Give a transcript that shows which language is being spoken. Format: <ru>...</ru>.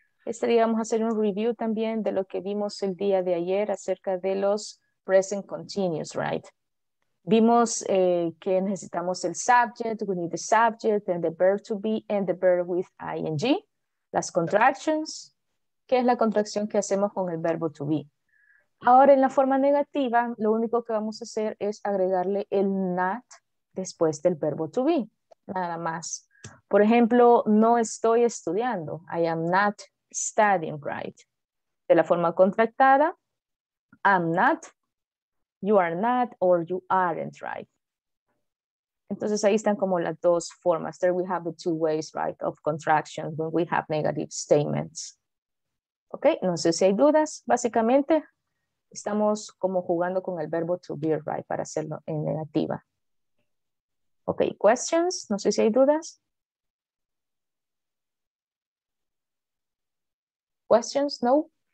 <es>Este día vamos a hacer un review también de lo que vimos el día de ayer acerca de los present continuous, right? Vimos que necesitamos el subject,</es> <en>we need the subject, and the verb to be, and the verb with ing.</en> <es>Las contractions, que es la contracción que hacemos con el verbo to be. Ahora, en la forma negativa, lo único que vamos a hacer es agregarle el not después del verbo to be, nada más. Por ejemplo, no estoy estudiando,</es> <en>I am not studying, right?</en> <es>De la forma contractada,</es> <en>I'm not, you are not, or you aren't, right?</en> <es>Entonces ahí están como las dos formas.</es> <en>There we have the two ways, right, of contraction when we have negative statements.</en> <es>Okay, no sé si hay dudas. Básicamente estamos como jugando con el verbo to be, right, para hacerlo en negativa. Okay, questions, no sé si hay dudas.</es> <en>Questions? No?</en>